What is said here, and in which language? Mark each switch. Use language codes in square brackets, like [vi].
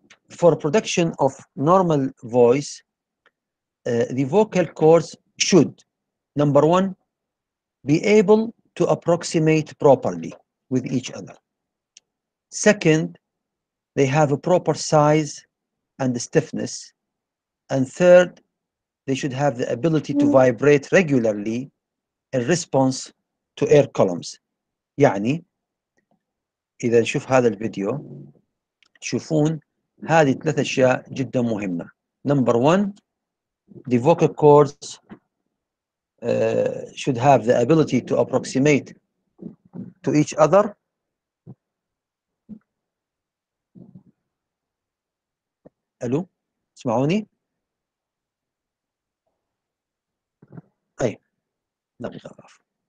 [en] For production of normal voice, the vocal cords should, number one, be able to approximate properly with each other. Second, they have a proper size and stiffness. And third, they should have the ability to vibrate regularly in response to air columns. [ar] يعني إذا نشوف هذا الفيديو تشوفون هذه ثلاثة أشياء جدا مهمة. [en] Number one, the vocal cords should have the ability to approximate to each other. [ar] ألو اسمعوني؟ أي دقيقة أعرف.